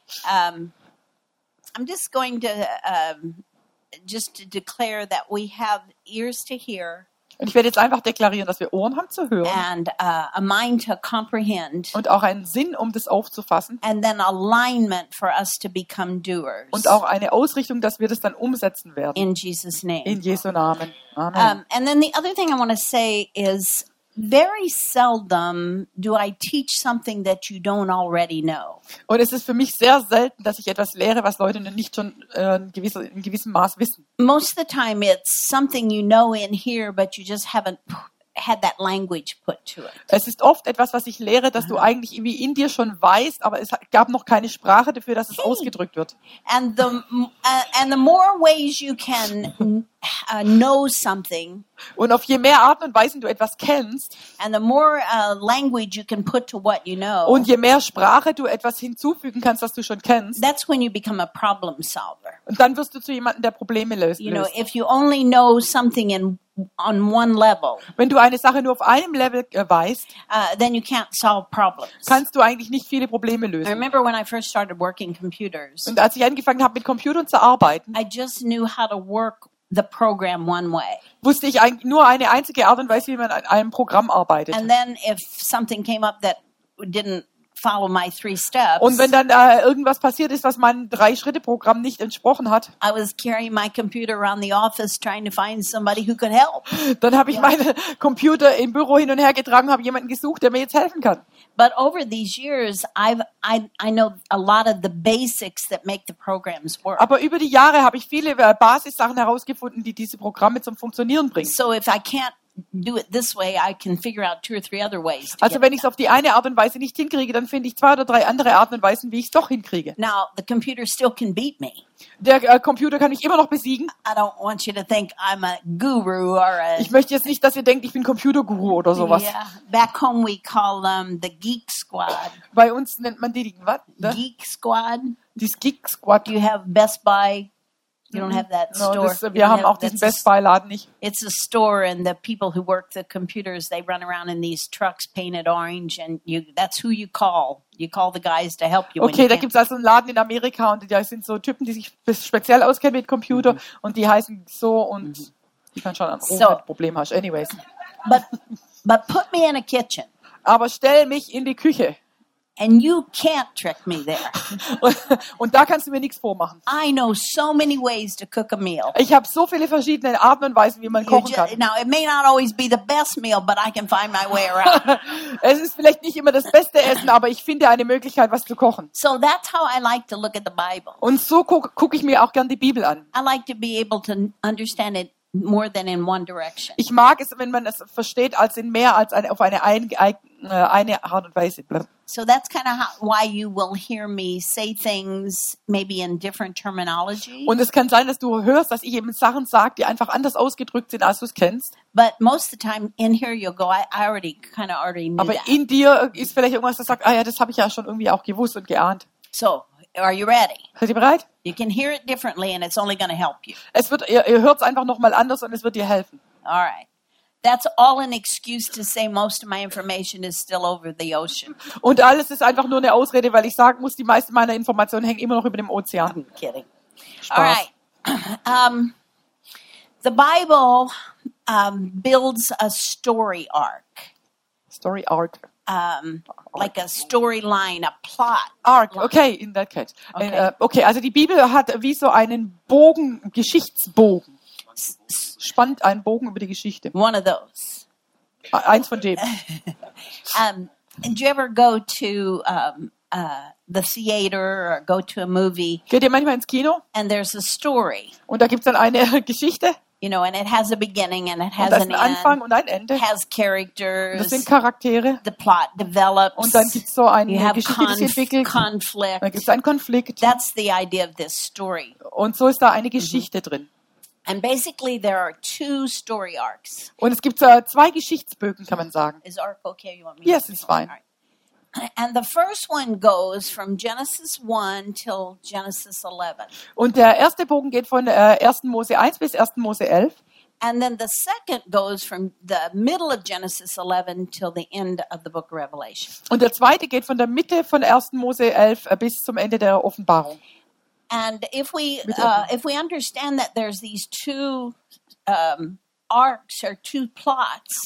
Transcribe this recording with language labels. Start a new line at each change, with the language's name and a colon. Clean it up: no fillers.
English: I'm just going to just to declare that we have ears to hear.
German: Und ich werde jetzt einfach deklarieren, dass wir Ohren haben zu hören.
English: And a mind to comprehend.
German: Und auch einen Sinn, um das aufzufassen.
English: And then alignment for us to become doers.
German: Und auch eine Ausrichtung, dass wir das dann umsetzen werden.
English: In Jesus' name.
German: In Jesu Namen. Amen.
English: And then the other thing I want to say is, very seldom do I teach something that you don't already know.
German: Und es ist für mich sehr selten, dass ich etwas lehre, was Leute nicht schon in gewissem Maß wissen.
English: Most of the time it's something you know in here, but you just haven't had that language put to it.
German: Es ist oft etwas, was ich lehre, dass du eigentlich irgendwie in dir schon weißt, aber es gab noch keine Sprache dafür, dass es ausgedrückt wird.
English: And the more ways you can know something.
German: Und auf je mehr Arten und Weisen du etwas kennst.
English: And the more language you can put to what you know.
German: Und je mehr Sprache du etwas hinzufügen kannst, was du schon kennst.
English: That's when you become a problem solver.
German: Und dann wirst du zu jemandem, der Probleme löst.
English: You know, if you only know something on one level.
German: Wenn du eine Sache nur auf einem Level weißt,
English: then you can't solve problems.
German: Kannst du eigentlich nicht viele Probleme lösen.
English: I remember when I first started working computers.
German: Und als ich angefangen habe mit Computern zu arbeiten.
English: I just knew how to work the program one way.
German: Wusste ich eigentlich nur eine einzige Art und Weise, wie man an einem Programm arbeitet.
English: And then if something came up that didn't follow my three steps.
German: Und wenn dann irgendwas passiert ist, was meinem Drei-Schritte-Programm nicht entsprochen hat.
English: I was carrying my computer around the office trying to find somebody who could help.
German: Dann habe ich meine Computer im Büro hin und her getragen, habe jemanden gesucht, der mir jetzt helfen kann.
English: But over these years I know a lot of the basics that make the programs work.
German: Aber über die Jahre habe ich viele Basissachen herausgefunden, die diese Programme zum Funktionieren bringen.
English: So if I can't do it this way, I can figure out two or three other ways.
German: Also wenn ich es auf die eine Art und Weise nicht hinkriege, dann finde ich zwei oder drei andere Arten und Weisen, wie ich es doch hinkriege.
English: Now the computer still can beat me.
German: Der Computer kann mich immer noch besiegen.
English: I don't want you to think I'm a guru or a.
German: Ich möchte jetzt nicht, dass ihr denkt, ich bin Computerguru oder sowas.
English: Yeah. Back home we call them the Geek Squad.
German: Bei uns nennt man die was? Ne? Geek Squad. Das Geek Squad.
English: You have Best Buy. You don't have that store.
German: No, wir haben auch diesen Best Buy Laden nicht.
English: It's a store and the people who work the computers, they run around in these trucks painted orange and that's who you call. You call the guys to help you.
German: Okay, da gibt's also einen Laden in Amerika und da sind so Typen, die sich speziell auskennen mit Computer und die heißen so und ich kann schon an so, Problem hast.
English: Anyways. But put me in a kitchen.
German: Aber stell mich in die Küche.
English: And you can't trick me there.
German: Und da kannst du mir nichts vormachen.
English: I know so many ways to cook a meal.
German: Ich habe so viele verschiedene Arten und Weisen, wie man kochen kann.
English: Now it may not always be the best meal, but I can find my way around.
German: Es ist vielleicht nicht immer das beste Essen, aber ich finde eine Möglichkeit, was zu kochen.
English: So that's how I like to look at the Bible.
German: Und so guck ich mir auch gern die Bibel an.
English: I like to be able to understand it more than in one direction.
German: Ich mag es, wenn man es versteht, als in mehr als auf eine Art und Weise.
English: So that's kind of why you will hear me say things maybe in different terminology.
German: Und es kann sein, dass du hörst, dass ich eben Sachen sage, die einfach anders ausgedrückt sind, als du es kennst.
English: But most of the time in here you'll go, I already kind of already knew.
German: Aber
English: that.
German: In dir ist vielleicht irgendwas, das sagt, ah ja, das habe ich ja schon irgendwie auch gewusst und geahnt.
English: So, are you ready?
German: Seid ihr bereit?
English: You can hear it differently and it's only going to help you.
German: Es wird, ihr hört es einfach nochmal anders und es wird dir helfen.
English: All right. That's all an excuse to say most of my information is still over the ocean.
German: Und alles ist einfach nur eine Ausrede, weil ich sagen muss, die meisten meiner Informationen hängen immer noch über dem Ozean.
English: I'm kidding.
German: Spaß.
English: All right. The Bible builds a story arc. Story arc. Like a storyline, a plot. Arc, okay, in that case. Okay.
German: Okay, also die Bibel hat wie so einen Bogen, Geschichtsbogen. Spannt einen Bogen über die Geschichte.
English: One of those.
German: Eins von dem.
English: Did you ever go to the theater or go to a movie?
German: Geht ihr manchmal ins Kino?
English: And there's a story.
German: Und da gibt's dann eine Geschichte.
English: You know, and it has a beginning and it has
German: und
English: an
German: ein Anfang
English: end.
German: Und ein Ende.
English: Has characters.
German: Und das sind Charaktere.
English: The plot develops.
German: Und dann gibt's so eine Geschichte, die sich entwickelt.
English: Conflict.
German: Dann gibt's einen Konflikt.
English: That's the idea of this story.
German: Und so ist da eine Geschichte drin.
English: And basically there are two story arcs.
German: Und es gibt zwei Geschichtsbögen, kann man sagen.
English: Is arc okay? You want me yes, it's fine. Right. And the first one goes from Genesis 1 till Genesis 11.
German: Und der erste Bogen geht von 1. Mose 1 bis 1. Mose 11.
English: And then the second goes from the middle of Genesis 11 till the end of the book of Revelation.
German: Und der zweite geht von der Mitte von 1. Mose 11 bis zum Ende der Offenbarung.
English: And if we understand that there's these two arcs or two plots.